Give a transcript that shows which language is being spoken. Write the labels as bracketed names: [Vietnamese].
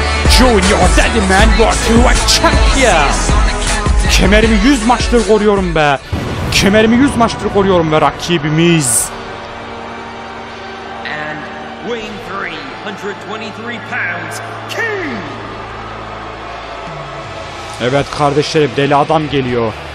[English] Junior Daddy Man, you are a champion. [Turkish] Kemerimi 100 maçtır koruyorum be. Kemerimi 100 maçtır koruyorum be rakibimiz. [English] And weighing 323 pounds, King. [Turkish] Evet kardeşlerim, deli adam geliyor.